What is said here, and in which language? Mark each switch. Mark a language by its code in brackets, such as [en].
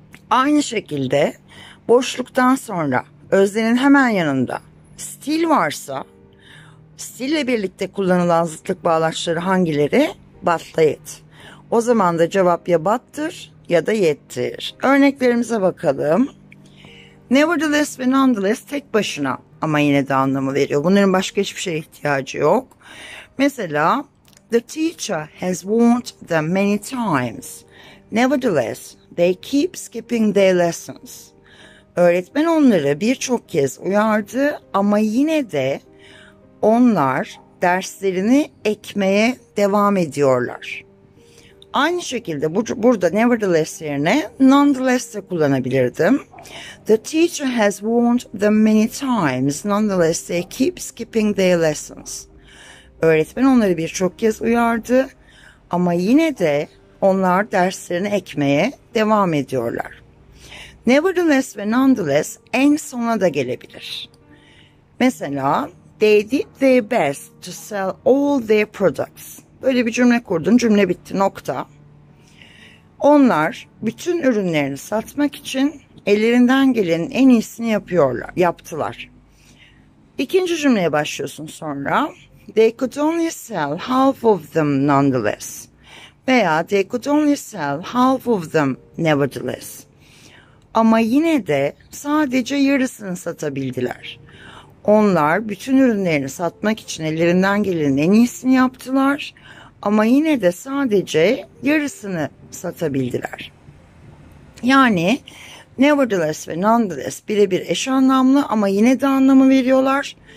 [tr] Aynı şekilde boşluktan sonra öznenin hemen yanında still varsa still ile birlikte kullanılan zıtlık bağlaçları hangileri? [en] But'la yet. [tr] O zaman da cevap ya but'tır ya da yet'tir. Örneklerimize bakalım. Nevertheless ve nonetheless tek başına ama yine de anlamı veriyor. Bunların başka hiçbir şeye ihtiyacı yok. Mesela, [en] the teacher has warned them many times. Nevertheless, they keep skipping their lessons. [tr] Öğretmen onları birçok kez uyardı ama yine de onlar derslerini ekmeye devam ediyorlar. Aynı şekilde burada nevertheless yerine nonetheless de kullanabilirdim. [en] The teacher has warned them many times. Nonetheless they keep skipping their lessons. [tr] Öğretmen onları birçok kez uyardı ama yine de onlar derslerini ekmeye devam ediyorlar. Nevertheless ve nonetheless en sona da gelebilir. Mesela, [en] they did their best to sell all their products. [tr] Böyle bir cümle kurdun, cümle bitti, nokta. Onlar bütün ürünlerini satmak için ellerinden gelenin en iyisini yaptılar. İkinci cümleye başlıyorsun sonra. [en] They could only sell half of them nonetheless. [tr] Veya [en] they could only sell half of them nevertheless. [tr] Ama yine de sadece yarısını satabildiler. Onlar bütün ürünlerini satmak için ellerinden gelenin en iyisini yaptılar ama yine de sadece yarısını satabildiler. Yani nevertheless ve nonetheless birebir eş anlamlı ama yine de anlamı veriyorlar.